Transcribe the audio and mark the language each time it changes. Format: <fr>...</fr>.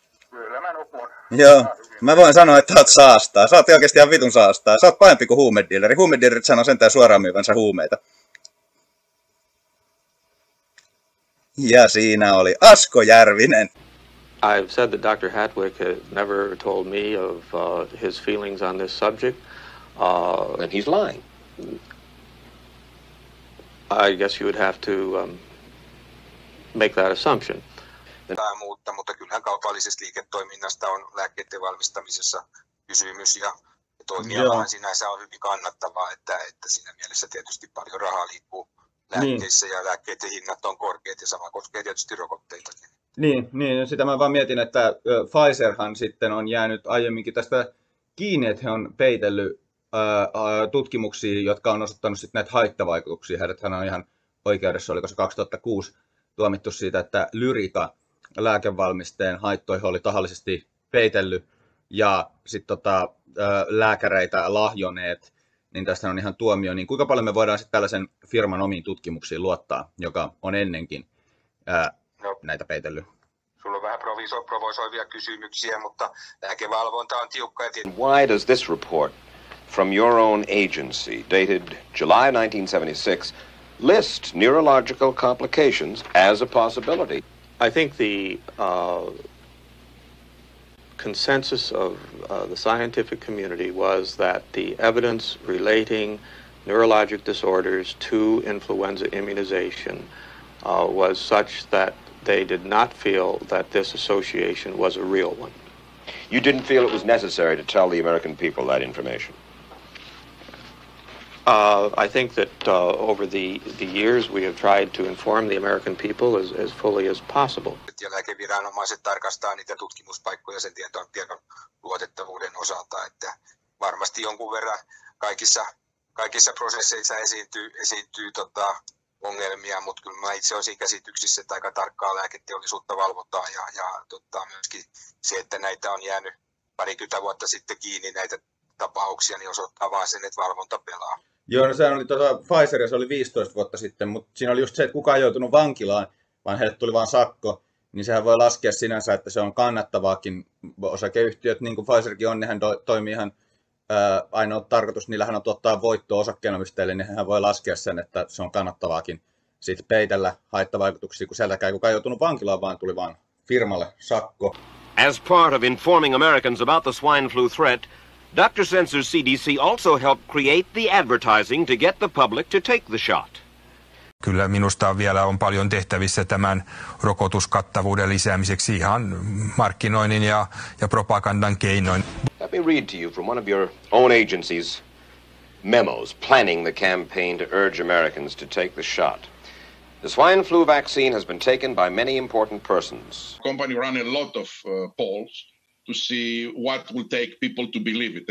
<fi>Kyllä mä nukun. Joo. Mä voin sanoa, että oot saastaa. Sä oot oikeesti ihan vitun saastaa. Sä oot pahempi kuin huumedealeri. Huumedealerit sanoo sentään suoraan myyvänsä huumeita. Ja siinä oli Asko Järvinen.</fi> <en>I've said that Dr. Hatwick had never told me of his feelings on this subject. And he's lying. I guess you would have to make that assumption.</en> <fi>Tämä muuttaa, mutta kyllähän kaupallisesta liiketoiminnasta on lääkkeiden valmistamisessa kysymys, ja toimialahan sinänsä on hyvin kannattavaa, että siinä mielessä tietysti paljon rahaa liikkuu lääkkeissä, niin. Ja lääkkeiden hinnat on korkeat, ja sama koskee tietysti rokotteita. Niin, sitä mä vaan mietin, että Pfizerhan sitten on jäänyt aiemminkin tästä kiinni, että he on peitellyt tutkimuksia, jotka on osoittanut sitten näitä haittavaikutuksia. Heidäthän on ihan oikeudessa, oliko se 2006 tuomittu siitä, että Lyrica lääkevalmisteen haittoihin oli tahallisesti peitellyt ja sitten lääkäreitä lahjoneet, niin tästä on ihan tuomio. Niin kuinka paljon me voidaan sitten tällaisen firman omiin tutkimuksiin luottaa, joka on ennenkin näitä peitellyt? Sulla on vähän provosoivia kysymyksiä, mutta lääkevalvonta on tiukka.</fi> <en>Why does this report from your own agency, dated July 1976, list neurological complications as a possibility? I think the consensus of the scientific community was that the evidence relating neurologic disorders to influenza immunization was such that they did not feel that this association was a real one. You didn't feel it was necessary to tell the American people that information? I think that over the years we have tried to inform the American people as fully as possible.</en> <fi>Ja lääkeviranomaiset tarkastaa niitä tutkimuspaikkoja sen tiedon luotettavuuden osalta, että varmasti jonkun verran kaikissa prosesseissa esiintyy ongelmia, mutta kyllä mä itse olen siinä käsityksissä, että aika tarkkaa lääketeollisuutta valvotaan ja myöskin se, että näitä on jäänyt parikymmentä vuotta sitten kiinni näitä tapauksia, niin osoittaa vaan sen, että valvonta pelaa. Joo, no sehän oli Pfizer, se oli 15 vuotta sitten, mutta siinä oli just se, että kukaan ei joutunut vankilaan, vaan heille tuli vaan sakko, niin sehän voi laskea sinänsä, että se on kannattavaakin osakeyhtiöt, niin kuin Pfizerkin on, niin hän toimii ihan ainoa tarkoitus, niillähän on tuottaa voittoa osakkeenomistajille, niin hän voi laskea sen, että se on kannattavaakin sit peitellä haittavaikutuksia, kun sieltäkään ei kukaan joutunut vankilaan, vaan tuli vaan firmalle sakko.</fi> <en>As part of informing Americans about the swine flu threat, Dr. Sensor's CDC also helped create the advertising to get the public to take the shot.</en> <fi>Kyllä minusta vielä on paljon tehtävissä tämän rokotuskattavuuden lisäämiseksi ihan markkinoinnin ja propagandan keinoin.</fi> <en>Let me read to you from one of your own agency's memos planning the campaign to urge Americans to take the shot. The swine flu vaccine has been taken by many important persons. The company ran a lot of polls to see what will take people to believe it.</en>